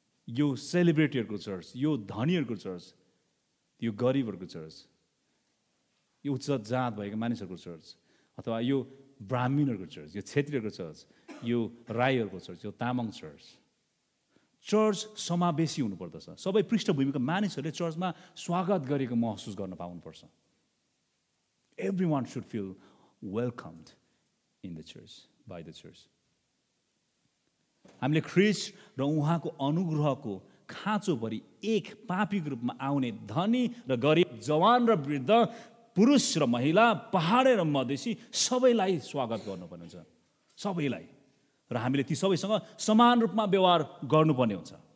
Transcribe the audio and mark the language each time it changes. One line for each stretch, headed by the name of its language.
Nepali: यो सेलिब्रिटीहरूको चर्च, यो धनीहरूको चर्च, यो गरिबहरूको चर्च, यो उच्च जात भएको मानिसहरूको चर्च, अथवा यो ब्राह्मिणहरूको चर्च, यो क्षेत्रीहरूको चर्च, यो राईहरूको चर्च, यो तामाङ चर्च, चर्च समावेशी हुनुपर्दछ। सबै पृष्ठभूमिका मानिसहरूले चर्चमा स्वागत गरेको महसुस गर्न पाउनुपर्छ।
English: Every one should feel welcomed in the church, by the church.
Nepali: हामीले ख्रिस्ट र उहाँको अनुग्रहको खाँचोभरि एक पापीको रूपमा आउने धनी र गरिब, जवान र वृद्ध, पुरुष र महिला, पहाडे र मधेसी सबैलाई स्वागत गर्नुपर्ने हुन्छ, सबैलाई। र हामीले ती सबैसँग समान रूपमा व्यवहार गर्नुपर्ने हुन्छ।